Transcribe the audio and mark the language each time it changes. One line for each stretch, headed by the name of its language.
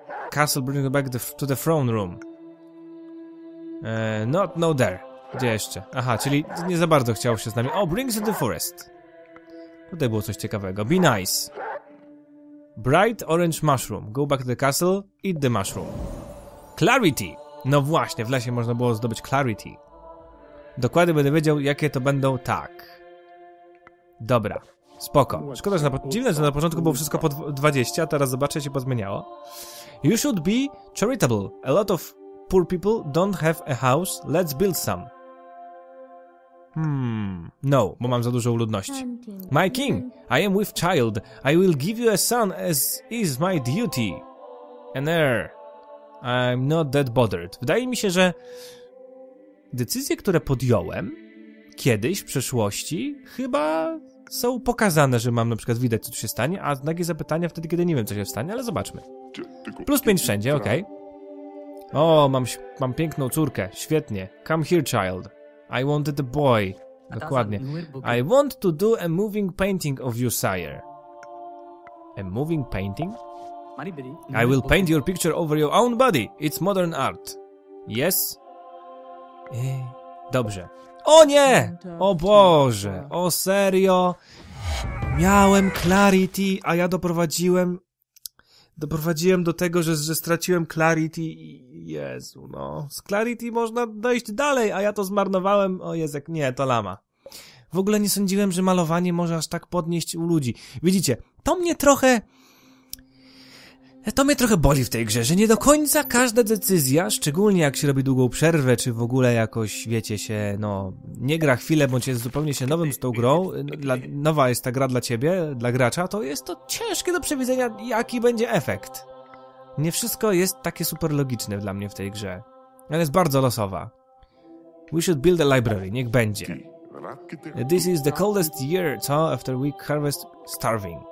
English: Castle brings back to the throne room. Not no there.
Polish: Gdzie jeszcze? Aha, czyli nie za bardzo chciał się z nami.
English: Oh, brings to the forest.
Polish: Tutaj było coś ciekawego.
English: Be nice. Bright orange mushroom. Go back to the castle, eat the mushroom. Clarity!
Polish: No właśnie, w lesie można było zdobyć clarity. Dokładnie będę wiedział, jakie to będą tak. Dobra, spoko. Szkoda, że dziwne, że na początku było wszystko po 20, a teraz zobaczę, się pozmieniało.
English: You should be charitable. A lot of poor people don't have a house. Let's build some.
Polish: No, bo mam za dużo ludności.
English: My king, I am with child. I will give you a son as is my duty. An heir. I'm not that bothered.
Polish: Wydaje mi się, że decyzje, które podjąłem kiedyś w przeszłości, chyba są pokazane, że mam na przykład widać, co tu się stanie, a nagie zapytania wtedy, kiedy nie wiem, co się stanie, ale zobaczmy. Plus 5 wszędzie, okej. Okay. O, mam piękną córkę, świetnie.
English: Come here, child. I wanted a boy.
Polish: Dokładnie.
English: I want to do a moving painting of you, sire. A moving painting? I will paint your picture over your own body. It's modern art. Yes?
Polish: Dobrze. O nie! O Boże! O serio! Miałem clarity, a ja doprowadziłem do tego, że straciłem clarity. Jezu, no. Z clarity można dojść dalej, a ja to zmarnowałem. O Jezek, nie, to lama. W ogóle nie sądziłem, że malowanie może aż tak podnieść u ludzi. Widzicie, to mnie trochę boli w tej grze, że nie do końca każda decyzja, szczególnie jak się robi długą przerwę, czy w ogóle jakoś, wiecie, się, no, nie gra chwilę, bądź jest zupełnie się nowym z tą grą, nowa jest ta gra dla ciebie, dla gracza, to jest to ciężkie do przewidzenia, jaki będzie efekt. Nie wszystko jest takie super logiczne dla mnie w tej grze. Ona jest bardzo losowa.
English: We should build a library,
Polish: niech będzie.
English: This is the coldest year, co? After we harvest starving.